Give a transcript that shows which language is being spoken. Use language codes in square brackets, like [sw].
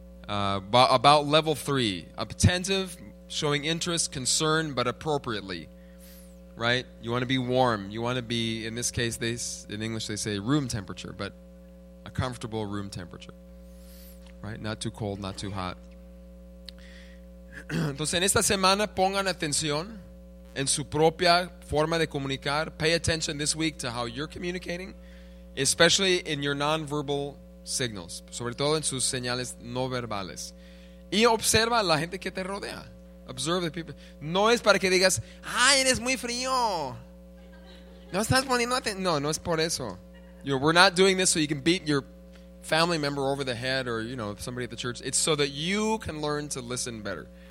[en] About level 3. Attentive, showing interest, concern, but appropriately. Right? You want to be warm. You want to be, in this case, in English they say room temperature, but a comfortable room temperature. Right? Not too cold, not too hot. [es] Entonces, en esta semana, pongan atención en su propia forma de comunicar. [en] Pay attention this week to how you're communicating, especially in your nonverbal signals, [es] sobre todo en sus señales no verbales. Y observa a la gente que te rodea. [en] Observe the people. [es] No es para que digas, ¡ay, eres muy frío! No estás poniendo atención. No, no es por eso. [en] You know, we're not doing this so you can beat your family member over the head, or, you know, somebody at the church. It's so that you can learn to listen better.